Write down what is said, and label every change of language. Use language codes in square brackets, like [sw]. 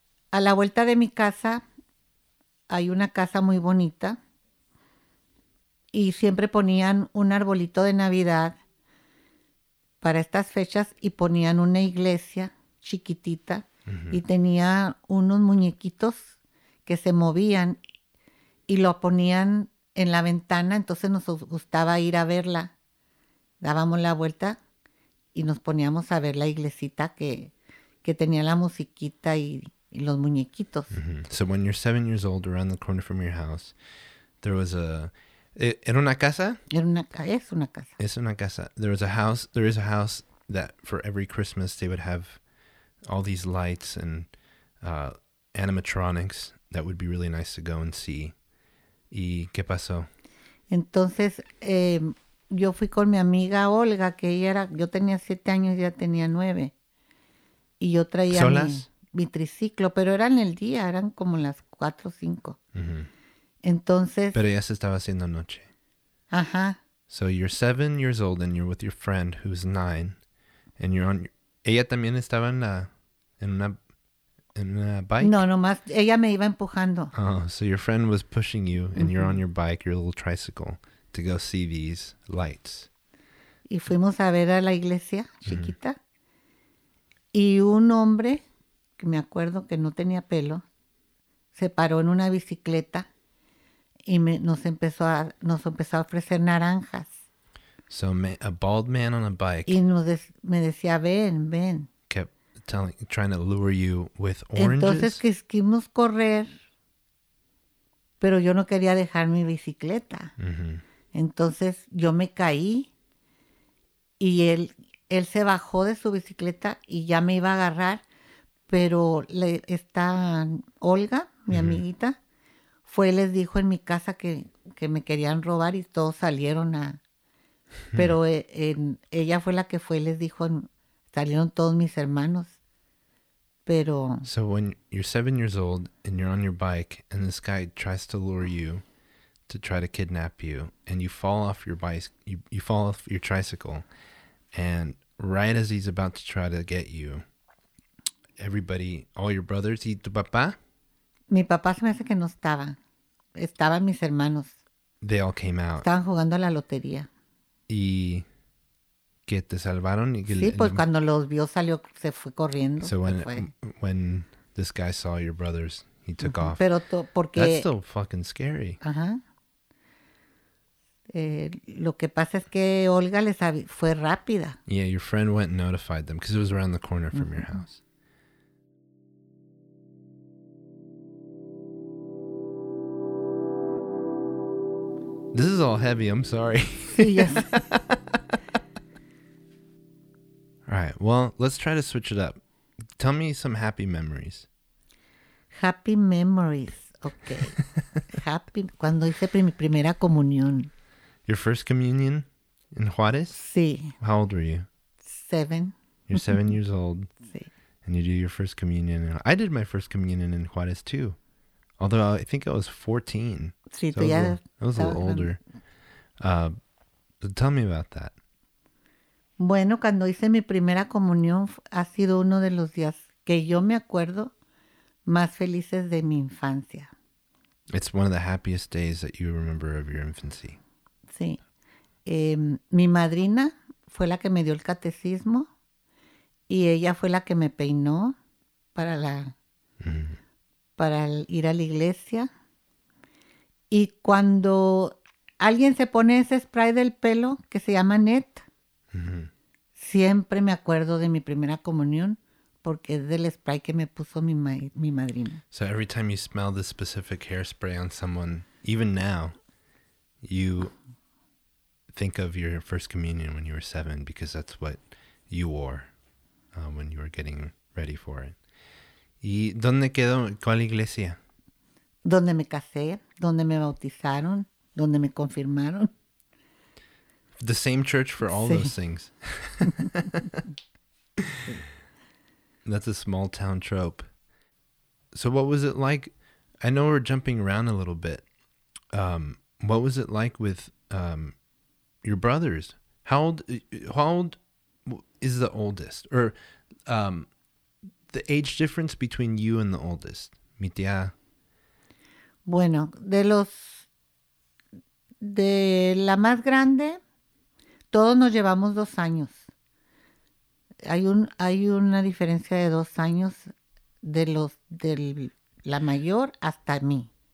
[es] A la vuelta de mi casa hay una casa muy bonita y siempre ponían un arbolito de Navidad para estas fechas y ponían una iglesia chiquitita y tenía unos muñequitos que se movían y lo ponían en la ventana, entonces nos gustaba ir a verla. Dábamos la vuelta y nos poníamos a ver la iglesita que tenía la musiquita y los muñequitos. Mm-hmm. [en] So when you're 7 years old, around the corner from your house, there was a... [es] ¿Era una casa? Es una casa. Es una casa. [en] There was a house. There is a house that for every Christmas they would have all these lights and animatronics that would be really nice to go and see. [es] ¿Y qué pasó? Entonces, yo fui con mi amiga Olga, que ella era... Yo tenía 7 años y ella tenía 9. Y yo traía mi triciclo, pero eran el día, eran como las 4 o 5. Entonces... Pero ya se estaba haciendo noche. Ajá. [en] So you're 7 years old and you're with your friend who's 9. And you're on... [es] ¿Ella también estaba en la... En una bike? No, nomás ella me iba empujando. [en] Oh, so your friend was pushing you and you're on your bike, your little tricycle, to go see these lights. [es] Y fuimos a ver a la iglesia chiquita. Y un hombre, que me acuerdo que no tenía pelo, se paró en una bicicleta y nos empezó a ofrecer naranjas. [en] So a bald man on a bike. [es] Y me decía, ven, ven. [en] Kept trying to lure you with oranges. [es] Entonces quisimos correr, pero yo no quería dejar mi bicicleta. Entonces yo me caí y él se bajó de su bicicleta y ya me iba a agarrar, pero está Olga, mi amiguita, fue y les dijo en mi casa que me querían robar y todos salieron a... Pero ella fue la que fue y les dijo, salieron todos mis hermanos, pero... [en] So when you're 7 years old and you're on your bike and this guy tries to lure you to try to kidnap you and you fall off your bike, you fall off your tricycle, and right as he's about to try to get you, everybody, all your brothers, [es] ¿y tu papá? Mi papá se me hace que no estaba. Estaban mis hermanos. [en] They all came out. [es] Estaban jugando a la lotería. ¿Y que te salvaron? Y que sí, pues cuando los vio salió, se fue corriendo. [en] So when this guy saw your brothers, he took off. [es] Pero porque... [en] That's still fucking scary. [es] Ajá. Lo que pasa es que Olga les fue rápida. [en] Yeah, your friend went and notified them because it was around the corner from your house. This is all heavy, I'm sorry. Yes. All right, well, let's try to switch it up. Tell me some happy memories. Happy memories, okay. Happy, [es] cuando hice mi primera comunión. [en] Your first communion in Juárez? [es] Sí. [en] How old were you? [es] 7. [en] You're 7 years old. [es] Sí. [en] And you do your first communion. I did my first communion in Juárez too. Although I think I was 14. [es] Sí, [en] so [es] ya. [en] I was a little older. Tell me about that. [es] Bueno, cuando hice mi primera comunión ha sido uno de los días que yo me acuerdo más felices de mi infancia. [en] It's one of the happiest days that you remember of your infancy. [es] Sí. Mi madrina fue la que me dio el catecismo y ella fue la que me peinó para la... para ir a la iglesia. Y cuando alguien se pone ese spray del pelo que se llama Net, siempre me acuerdo de mi primera comunión porque es del spray que me puso mi madrina. [en] So every time you smell this specific hairspray on someone, even now, you think of your first communion when you were 7 because that's what you wore when you were getting ready for it. [es] ¿Y dónde quedó? ¿Cuál iglesia? Donde me casé, donde me bautizaron, donde me confirmaron. [en] The same church for all those things. That's a small town trope. So what was it like? I know we're jumping around a little bit. What was it like with your brothers? How old is the oldest? Or... the age difference between you and the oldest, [es] mi tía? Bueno, de la más grande, todos nos llevamos 2 años. Hay una diferencia de 2 años de la mayor hasta mí.